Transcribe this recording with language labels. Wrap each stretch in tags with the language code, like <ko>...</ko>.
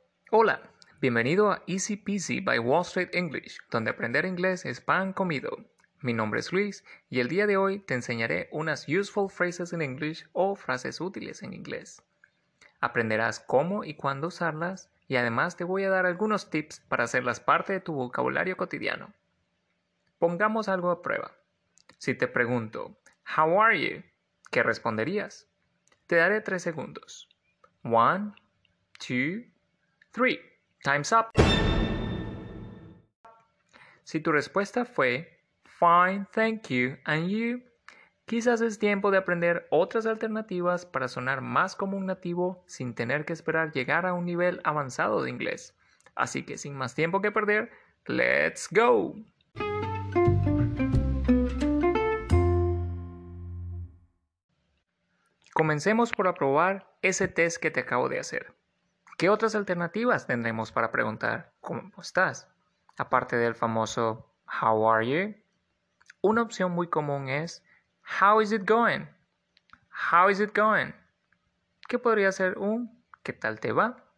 <es>Hola, bienvenido a Easy Peasy by Wall Street English, donde aprender inglés es pan comido. Mi nombre es Luis y el día de hoy te enseñaré unas</es> <en>useful phrases in English</en> <es>o frases útiles en inglés. Aprenderás cómo y cuándo usarlas y además te voy a dar algunos tips para hacerlas parte de tu vocabulario cotidiano. Pongamos algo a prueba. Si te pregunto,</es> <en>How are you?</en> <es>¿Qué responderías? Te daré 3 segundos. 1, 2, 3.</es> <en>Time's up.</en> <es>Si tu respuesta fue</es> <en>fine, thank you, and you,</en> <es>quizás es tiempo de aprender otras alternativas para sonar más como un nativo sin tener que esperar llegar a un nivel avanzado de inglés. Así que sin más tiempo que perder,</es> <en>let's go.</en> <es>Comencemos por aprobar ese test que te acabo de hacer. ¿Qué otras alternativas tendremos para preguntar cómo estás? Aparte del famoso</es> <en>How are you?</en> <es>Una opción muy común es</es> <en>How is it going? How is it going?</en> <es>¿Qué podría ser un ¿Qué tal te va?</es>